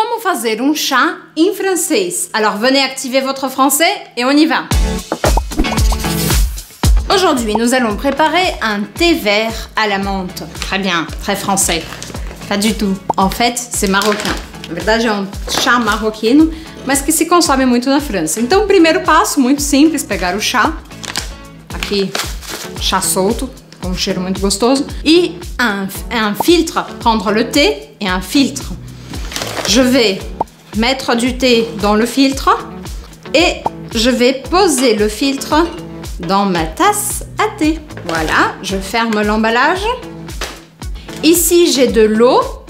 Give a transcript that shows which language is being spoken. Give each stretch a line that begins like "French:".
Portuguese: vamos fazer chá em francês.
French: Alors venez activer votre français et on y va. Aujourd'hui, nous allons préparer un thé vert à la menthe. Très bien, très français. Pas du tout. En fait, c'est marocain.
Portuguese: Na verdade, é chá marroquino, mas que se consome muito na França. Então, primeiro passo, muito simples, pegar o chá. Aqui, chá solto, com cheiro muito gostoso.
French: E un filtre, prendre le thé et un filtre. Je vais mettre du thé dans le filtre et je vais poser le filtre dans ma tasse à thé. Voilà, je ferme l'emballage. Ici, j'ai de l'eau.